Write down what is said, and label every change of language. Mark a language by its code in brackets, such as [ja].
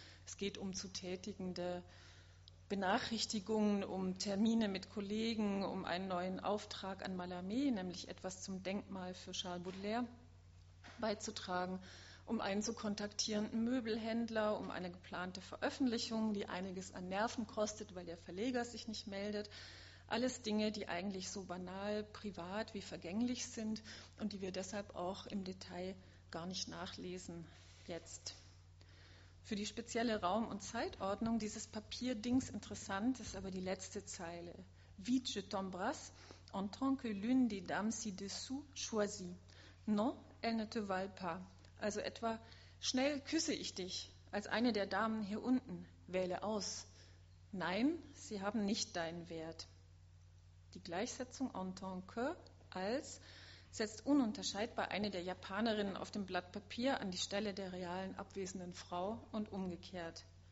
[de] Es geht um zu tätigende Benachrichtigungen, um Termine mit Kollegen, um einen neuen Auftrag an Mallarmé, nämlich etwas zum Denkmal für Charles Baudelaire, beizutragen, um einen zu kontaktierenden Möbelhändler, um eine geplante Veröffentlichung, die einiges an Nerven kostet, weil der Verleger sich nicht meldet. Alles Dinge, die eigentlich so banal, privat wie vergänglich sind und die wir deshalb auch im Detail gar nicht nachlesen jetzt. Für die spezielle Raum- und Zeitordnung dieses Papierdings interessant ist aber die letzte Zeile. [fr] Wie je t'embrasse en tant que l'une des dames ci-dessous choisie. Non, elle ne te vaut pas. [de] Also etwa, schnell küsse ich dich als eine der Damen hier unten, wähle aus. Nein, sie haben nicht deinen Wert. Die Gleichsetzung en tant que, als, setzt ununterscheidbar eine der Japanerinnen auf dem Blatt Papier an die Stelle der realen abwesenden Frau und umgekehrt.